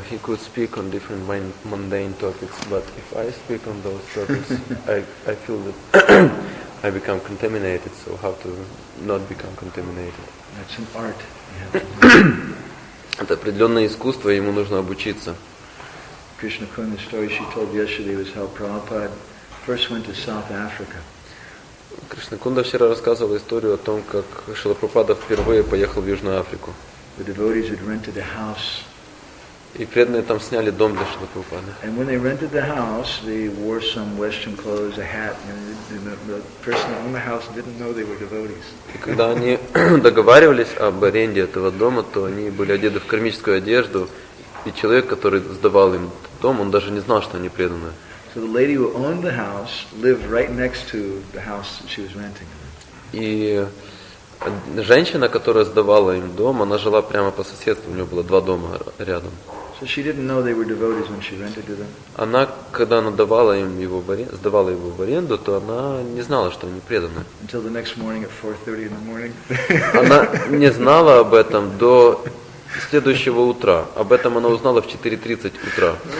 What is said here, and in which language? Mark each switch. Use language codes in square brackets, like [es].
[en] He could speak on different mundane topics, but if I speak on those topics, I feel that I become contaminated. So how to not become contaminated? That's an art. [ru] Это определенное искусство, ему нужно обучиться. [en] Krishna Kund, the story she told yesterday was how Prabhupada first went to South Africa. [ru] Krishna Kund вчера рассказывал историю о том, как Srila Prabhupada впервые поехал в Южную Африку. [en] The devotees had rented a house. [ru] И преданные там сняли дом для Шрилы Прабхупады. [en] And when they rented the house, they wore some western clothes, a hat, and the person that owned the house didn't know they were devotees. [ru] И когда они договаривались об аренде этого дома, то они были одеты в кармическую одежду, и человек, который сдавал им дом, он даже не знал, что они преданные. [en] So the lady who owned the house lived right next to the house that she was renting. [ru] И женщина, которая сдавала им дом, она жила прямо по соседству, у нее было два дома рядом. [en] So she didn't know they were devotees when she rented to them. [ru] Она, когда она давала им его в аренду, сдавала его в аренду, то она не знала, что они преданы. [en] Until the next morning at 4:30 in the morning. [ru] Она не знала об этом до следующего утра. Об этом она узнала в 4:30 утра.